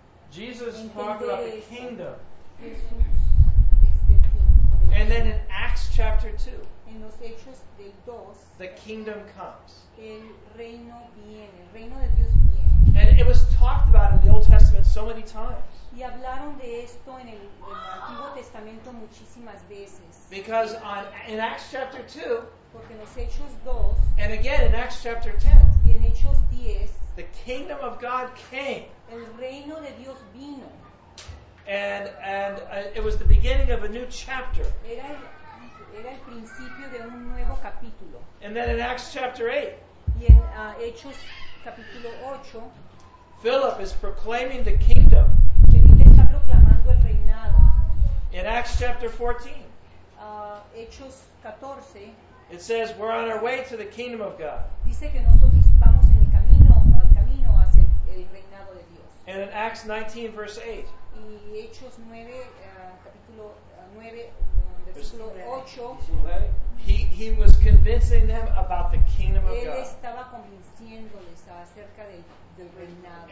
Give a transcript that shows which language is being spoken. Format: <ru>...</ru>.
<en>Jesus talked about the kingdom.</en> <es>Jesús,</es> <en>and then in Acts chapter 2,</en> <es>en los Hechos del dos,</es> <en>the kingdom comes.</en> <es>El reino viene, el reino de Dios viene.</es> <en>And it was talked about in the Old Testament so many times.</en> <es>Y hablaron de esto en el Antiguo Testamento muchísimas veces.</es> <en>Because in Acts chapter 2,</en> <es>porque en los Hechos 2,</es> <en>and again in Acts chapter 10,</en> <es>y en Hechos 10,</es> <en>the kingdom of God came.</en> <es>El reino de Dios vino.</es> <en>And it was the beginning of a new chapter.</en> <es>Era el principio de un nuevo capítulo.</es> <en>And then in Acts chapter 8,</en> <es>y en Hechos capítulo 8,</es> <en>Philip is proclaiming the kingdom.</en> <es>Está proclamando el reinado.</es> <en>In Acts chapter 14,</en> <es>Hechos 14,</es> <en>it says we're on our way to the kingdom of God.</en> <es>Dice que nosotros vamos en el camino, al camino hacia el reinado de Dios.</es> <en>And in Acts 19 verse 8,</en> <es>y Hechos 9, capítulo 9, versículo 8,</es> <en>he was convincing them about the kingdom of God.</en> <es>Él estaba convenciéndoles acerca del reinado.</es>